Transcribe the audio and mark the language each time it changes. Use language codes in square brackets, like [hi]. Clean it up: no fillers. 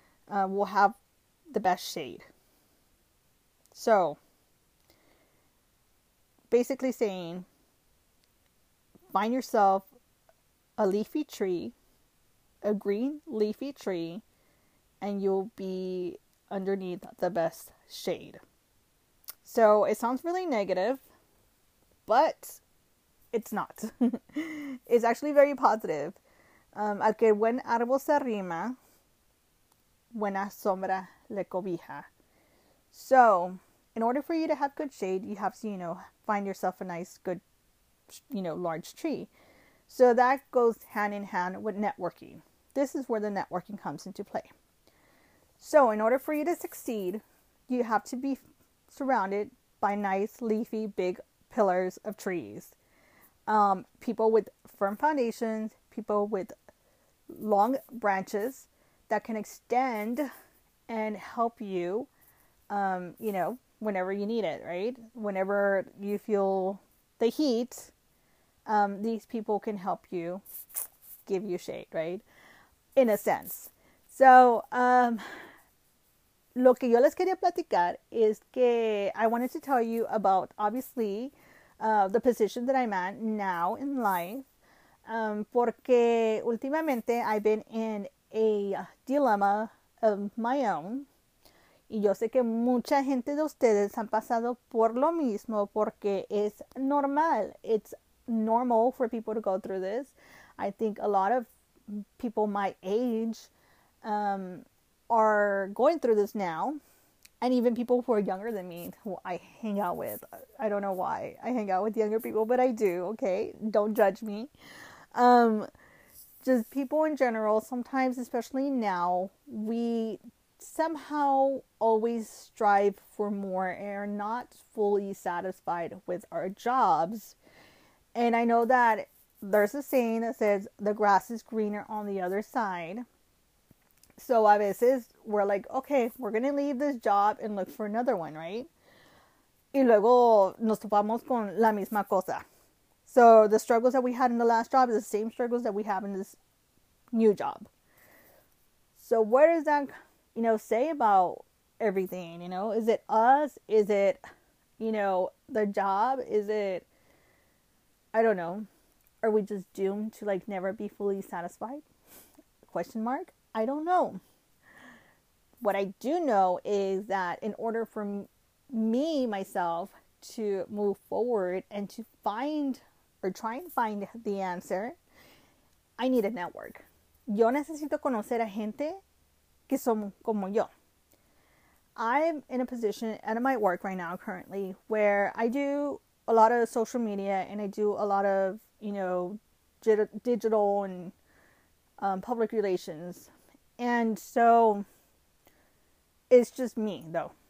[en] Will have the best shade. So basically saying, find yourself a leafy tree, a green leafy tree, and you'll be underneath the best shade. So it sounds really negative, but it's not. It's actually very positive. [es] Al que buen árbol se arrima, buena sombra le cobija. [en] So, in order for you to have good shade, you have to, find yourself a nice, good, large tree. So that goes hand in hand with networking. This is where the networking comes into play. So, in order for you to succeed, you have to be surrounded by nice, leafy, big pillars of trees. People with firm foundations, people with long branches that can extend and help you, whenever you need it, right? Whenever you feel the heat, these people can help you, give you shade, right? In a sense. So, [es] lo que yo les quería platicar es que [en] I wanted to tell you about, obviously, the position that I'm at now in life, [es] porque últimamente [en] I've been in a dilemma of my own. [es] Y yo sé que mucha gente de ustedes han pasado por lo mismo porque es normal. [en] It's normal for people to go through this. I think a lot of people my age, are going through this now. And even people who are younger than me, who I hang out with. I don't know why I hang out with younger people, but I do, okay? Don't judge me. Just people in general, sometimes, especially now, we somehow always strive for more and are not fully satisfied with our jobs. And I know that there's a saying that says the grass is greener on the other side. So [es] a veces [en] we're like, okay, we're gonna leave this job and look for another one, right? [es] Y luego nos topamos con la misma cosa. [en] So the struggles that we had in the last job are the same struggles that we have in this new job. So what does that, say about everything? Is it us? Is it, the job? Is it I don't know. Are we just doomed to, like, never be fully satisfied? Question mark? I don't know. What I do know is that in order for me, myself, to move forward and to find or try and find the answer, I need a network. [es] Yo necesito conocer a gente que son como yo. [en] I'm in a position at my work right now currently where I do a lot of social media and I do a lot of, you know, digital and public relations. And so it's just me though.